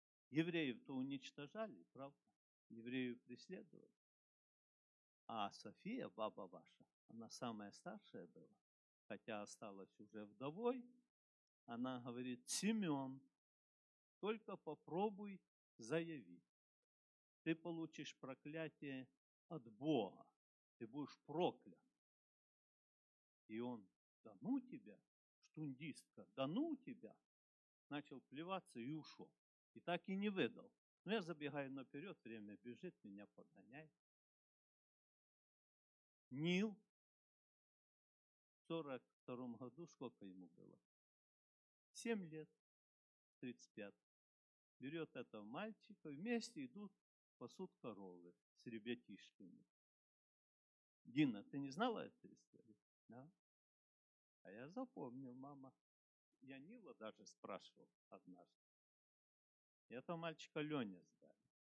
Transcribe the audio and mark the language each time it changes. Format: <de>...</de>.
<ru>Евреев-то уничтожали, правда? Евреев преследовали. А София, баба ваша, она самая старшая была, хотя осталась уже вдовой, она говорит, Семен, только попробуй заявить.</ru> <uk>ти получиш прокляття від Бога. Ти будеш проклятий. І він:</uk> <ru>«Да ну тебя, штундістка, да ну тебя!» Начал плеваться</ru> <uk>і ушов. І так і не видав. Ну, я забігаю наперед, время біжит, мене подгоняє.</uk> <ru>Ніл, в 42-му году, сколько</ru> <uk>йому було?</uk> <ru>7 лет, 35. Берет этого мальчика, вместе идут, пасут коровы с ребятишками. Дина, ты не знала эту историю? Да? А я запомнил, мама. Я Нила даже спрашивал однажды. Этого мальчика Леня сдали.</ru>